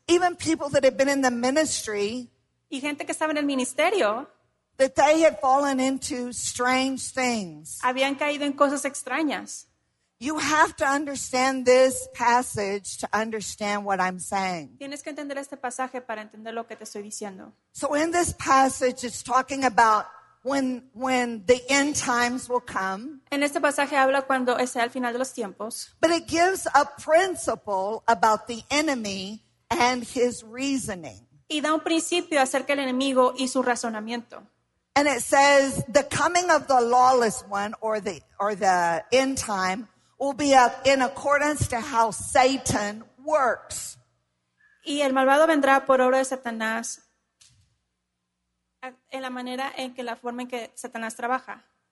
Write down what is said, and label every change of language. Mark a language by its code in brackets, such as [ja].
[en] Even people that had been in the ministry, [es] y gente que estaba en el ministerio, [en] that they had fallen into strange things. [es] Habían caído en cosas extrañas. [en] You have to understand this passage to understand what I'm saying. [es] Tienes que entender este pasaje para entender lo que te estoy diciendo. [en] So in this passage, it's talking about when the end times will come. [es] En este pasaje habla cuando sea el final de los tiempos. [en] But it gives a principle about the enemy and his reasoning. [es] Y da un principio acerca del enemigo y su razonamiento. [en] And it says the coming of the lawless one or the end time will be up in accordance to how Satan works. [es] Y el malvado vendrá por obra de Satanás en la manera en que la forma en que Satanás trabaja.